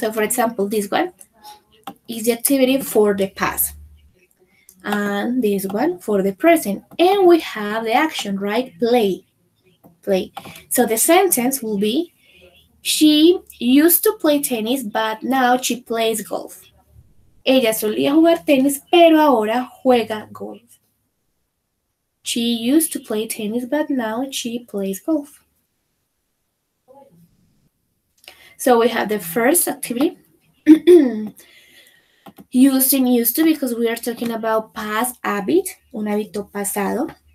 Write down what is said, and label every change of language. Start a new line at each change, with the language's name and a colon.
English: So for example, this one is the activity for the past and this one for the present. And we have the action, right? Play. So the sentence will be, she used to play tennis, but now she plays golf.
Spanish: Ella solía jugar tenis, pero ahora juega golf.
English: She used to play tennis, but now she plays golf. So we have the first activity. used to, because we are talking about past habit,
Spanish: un hábito pasado.